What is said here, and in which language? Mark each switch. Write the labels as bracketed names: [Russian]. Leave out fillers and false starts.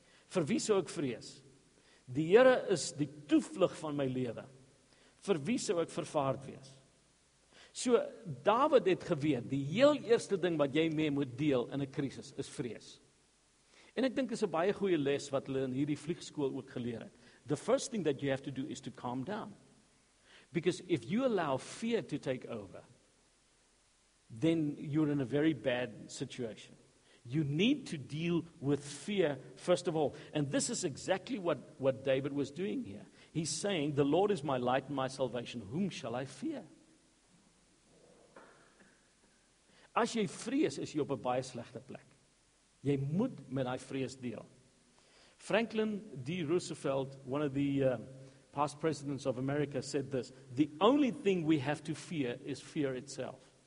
[Afrikaans] Vir wie sou ek vrees? Die Here is die toevlug van my lewe. Vir wie sou ek vervaard wees? So, David het geweet, die heel eerste ding wat jy mee moet deel in 'n krisis, is vrees. En ek dink is 'n baie goeie les wat hulle in hierdie vliegskool ook geleer het. [English] The first thing that you have to do is to calm down. Because if you allow fear to take over, then you're in a very bad situation. You need to deal with fear, first of all. And this is exactly what David was doing here. He's saying, the Lord is my light and my salvation. Whom shall I fear? [Afrikaans] As jy vrees, is jy op 'n baie slegte plek. Jy moet met daai vrees deel. [English] Franklin D. Roosevelt, one of the past presidents of America said this, the only thing we have to fear is fear itself.